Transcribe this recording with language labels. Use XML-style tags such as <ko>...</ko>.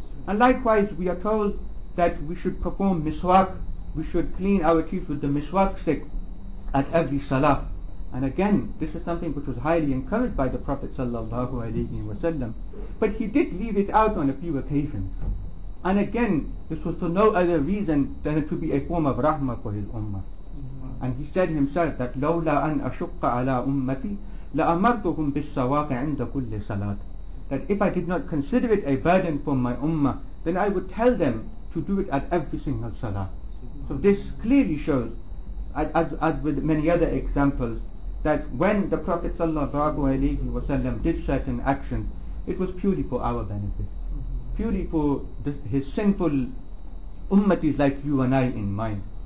<en>And likewise, we are told that we should perform miswak, we should clean our teeth with the miswak stick at every salah. And again, this is something which was highly encouraged by the Prophet sallallahu alayhi wa sallam. But he did leave it out on a few occasions. And again, this was for no other reason than to be a form of rahmah for his ummah. And he said himself that</en> <ar>لَوْلَا أَنْ أَشُقَّ عَلَى أُمَّتِي لَأَمَرْتُهُمْ بِالسَّوَاقِ عِنْدَ كُلِّ صَلَاتٍ.</ar> <en>That if I did not consider it a burden for my ummah, then I would tell them to do it at every single salah. So this clearly shows, as with many other examples, that when the Prophet sallallahu alayhi wa sallam did certain actions, it was purely for our benefit, purely for his sinful ummatis like you and I in mind.</en>